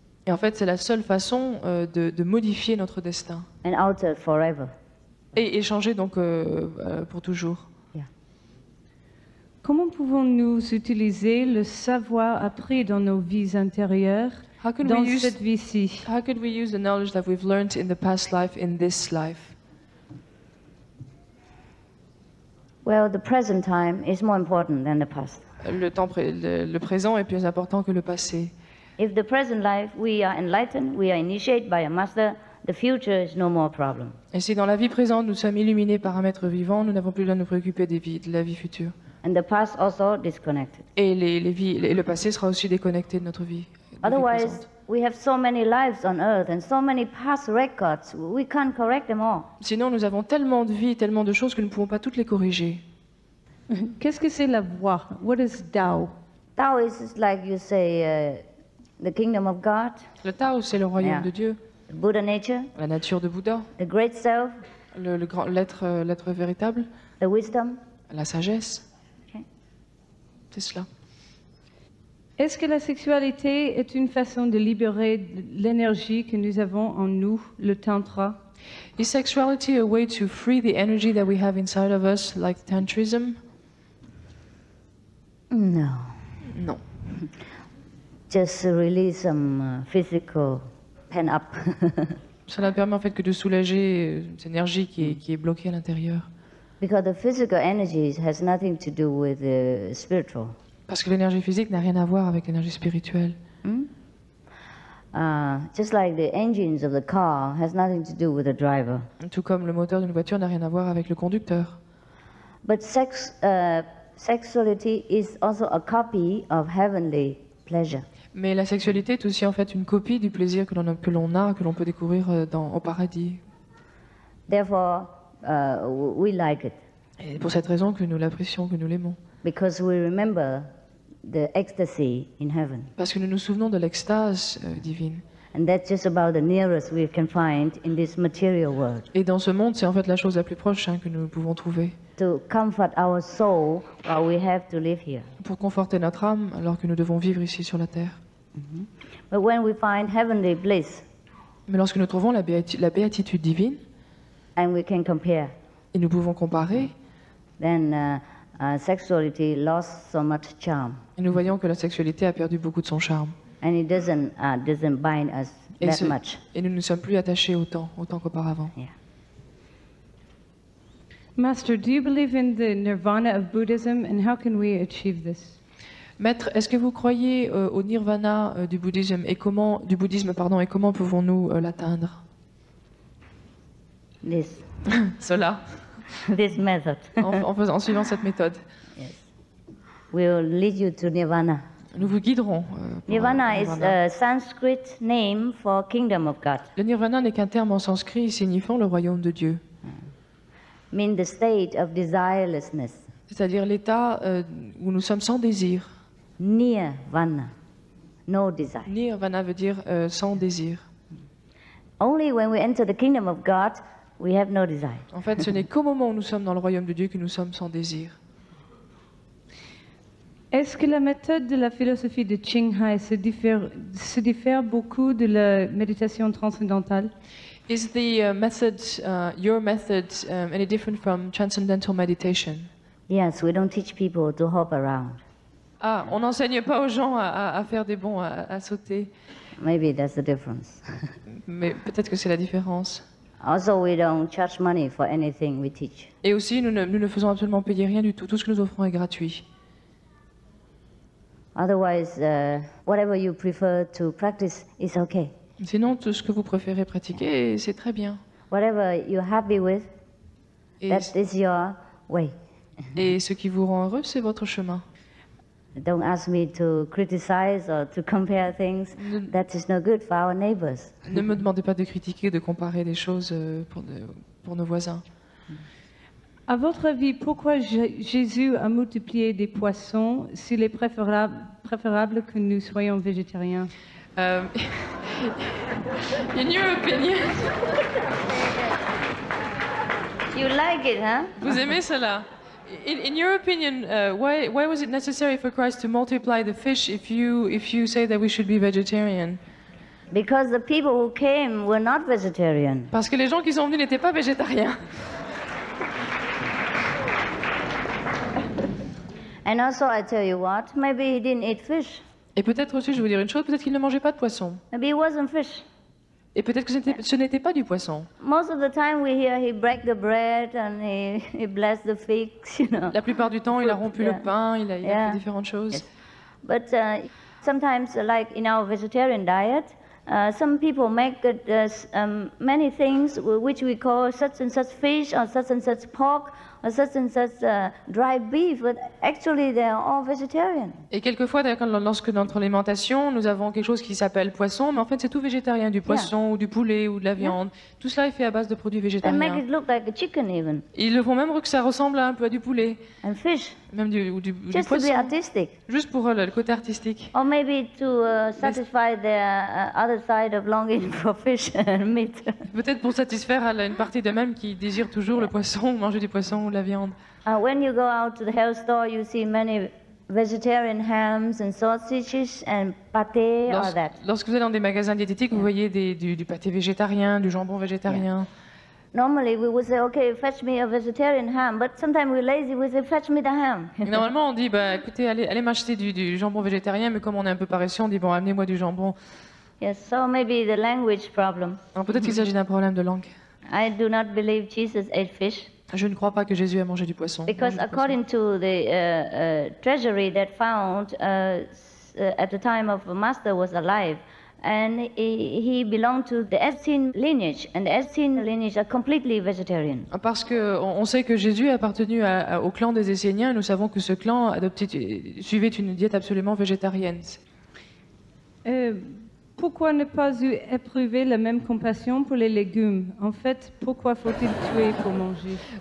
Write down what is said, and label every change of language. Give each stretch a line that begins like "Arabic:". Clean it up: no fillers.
French: Et en fait, c'est la seule façon de modifier notre destin.
English: And alter forever.
French: Et changer donc pour toujours.
English: Yeah.
French: Comment pouvons-nous utiliser le savoir appris dans nos vies antérieures dans cette vie-ci?
English: How could we use the knowledge that we've learned in the past life in this life? Well, the present time is more important than the past.
French: Le présent est plus important que le passé.
English: If the present life we are enlightened, we are initiated by a master, the future is no more problem.
French: Et si dans la vie présente nous sommes illuminés par un maître vivant, nous n'avons plus besoin de nous préoccuper de la vie future.
English: And the past also disconnected.
French: Et le passé sera aussi déconnecté de notre vie.
English: Otherwise, we have so many lives on earth and so many past records, we can't correct them all.
French: Sinon, nous avons tellement de vies, tellement de choses que nous ne pouvons pas toutes les corriger. Qu'est-ce que c'est la voie?
English: What is Tao? Tao is like you say the kingdom of God.
French: Le Tao, c'est le royaume de Dieu.
English: The Buddha nature.
French: La nature de Bouddha.
English: The great self.
French: Le grand l'être véritable.
English: The wisdom.
French: La sagesse. Okay. C'est cela. Est-ce que la sexualité est une façon de libérer l'énergie que nous avons en nous, le tantra?
English: Is sexuality a way to free the energy that we have inside of us, like tantrism? No. No. Just release some physical pent up.
French: Cela permet en fait que de soulager cette énergie qui est bloquée à l'intérieur.
English: Because the physical energy has nothing to do with the spiritual.
French: Parce que l'énergie physique n'a rien à voir avec l'énergie spirituelle.
English: Just like the engines of the car has nothing to do with the driver.
French: Tout comme le moteur d'une voiture n'a rien à voir avec le conducteur.
English: But sexuality is also a copy of heavenly pleasure.
French: Mais la sexualité est aussi en fait une copie du plaisir que l'on peut découvrir au paradis.
English: Therefore, we like it.
French: Et pour cette raison que nous l'apprécions, que nous l'aimons.
English: Because we remember the ecstasy in heaven.
French: Parce que nous nous souvenons de l'extase divine.
English: And that's just about the nearest we can find in this material world.
French: Et dans ce monde, c'est en fait la chose la plus proche que nous pouvons trouver.
English: To comfort our soul while we have to live here.
French: Pour conforter notre âme alors que nous devons vivre ici sur la terre.
English: Mm-hmm. But when we find heavenly bliss.
French: Mais lorsque nous trouvons la béatitude divine.
English: And we can compare.
French: Et nous pouvons comparer.
English: Then sexuality lost so much charm.
French: Et nous voyons que la sexualité a perdu beaucoup de son charme.
English: And it doesn't bind us that much.
French: Et nous ne sommes plus attachés autant qu'auparavant.
English: Yeah. Master, do you believe in the nirvana of Buddhism and how can we achieve this?
French: Maître, est-ce que vous croyez au nirvana du bouddhisme et comment pouvons-nous l'atteindre?
English: This.
French: Cela.
English: This method.
French: en suivant cette méthode.
English: Yes. We'll lead you to nirvana.
French: Nous vous guiderons.
English: Nirvana is a Sanskrit name for kingdom of God.
French: Le nirvana n'est qu'un terme en sanskrit signifiant le royaume de Dieu.
English: Mean the state of desirelessness.
French: C'est-à-dire l'état où nous sommes sans désir.
English: Nirvana, no desire.
French: Nirvana veut dire sans désir.
English: Only when we enter the kingdom of God, we have no desire.
French: En fait, ce n'est qu'au moment où nous sommes dans le royaume de Dieu que nous sommes sans désir. Est-ce que la méthode de la philosophie de Ching Hai se diffère beaucoup de la méditation transcendantale?
English: Is the method any different from transcendental meditation? Yes, we don't teach people to hop around.
French: Ah, on n'enseigne pas aux gens à faire des bonds, à sauter.
English: Maybe that's the difference.
French: Mais peut-être que c'est la différence.
English: Also, we don't charge money for anything we teach.
French: Et aussi, nous ne faisons absolument payer rien du tout. Tout ce que nous offrons est gratuit.
English: Otherwise, whatever you prefer to practice is okay.
French: Sinon, tout ce que vous préférez pratiquer, c'est très bien.
English: Whatever you're happy with, that is your way.
French: Et ce qui vous rend heureux, c'est votre chemin.
English: Don't ask me to criticize or to compare things. That is no good for our neighbors.
French: Ne me demandez pas de critiquer, de comparer des choses pour nos voisins. À votre avis, pourquoi Jésus a multiplié des poissons s'il est préférable que nous soyons végétariens?
English: In your opinion, you like it, huh?
French: Vous aimez cela?
English: In your opinion, why was it necessary for Christ to multiply the fish if you say that we should be vegetarian? Because the people who came were not vegetarian.
French: Parce que les gens qui sont venus n'étaient pas végétariens.
English: And also, I tell you what, maybe he didn't eat fish.
French: Et peut-être aussi, je vais vous dire une chose, peut-être qu'il ne mangeait pas de poisson.
English: Maybe it wasn't fish.
French: Et peut-être que ce n'était pas du poisson.
English: Most of the time we hear he break the bread and he bless the figs, you know.
French: La plupart du temps, il a rompu le pain, il a fait différentes choses.
English: Yes. But sometimes, like in our vegetarian diet, some people make many things which we call such and such fish or such and such pork or such and such dry beef, but actually they are all vegetarian.
French: Et quelquefois, d'ailleurs, lorsque dans notre alimentation, nous avons quelque chose qui s'appelle poisson, mais en fait, c'est tout végétarien, du poisson ou du poulet ou de la viande. Yeah. Tout cela est fait à base de produits végétariens.
English: They make it look like a chicken even.
French: Ils le font même que ça ressemble un peu à du poulet.
English: And fish.
French: Même du
English: Just
French: du poisson.
English: To be artistic.
French: Juste pour le côté artistique.
English: Or maybe to satisfy their other side of longing for fish and meat.
French: Peut-être pour satisfaire à une partie de même qui désire toujours le poisson, manger du poisson ou de la viande.
English: When you go out to the health store, you see many vegetarian hams and sausages and pâté or that.
French: Lorsque vous allez dans des magasins diététiques, vous voyez du pâté végétarien, du jambon végétarien.
English: Yeah. Normally we would say, okay, fetch me a vegetarian ham, but sometimes we're lazy, we say, fetch me the ham.
French: Normalement on dit, écoutez, allez m'acheter du jambon végétarien, mais comme on est un peu paresseux, on dit, bon, amenez-moi du jambon.
English: Yes, so maybe the language problem.
French: Alors peut-être qu'il s'agit d'un problème de langue.
English: I do not believe Jesus ate fish.
French: Je ne crois pas que Jésus a mangé du poisson.
English: Because according to the treasury that found at the time of Master was alive, and he belonged to the Essene lineage, and the Essene lineage are completely vegetarian.
French: Parce que on sait que Jésus appartenait au clan des Esséniens, nous savons que ce clan suivait une diète absolument végétarienne. Pourquoi ne pas éprouver la même compassion pour les légumes? En fait, pourquoi faut-il tuer pour manger?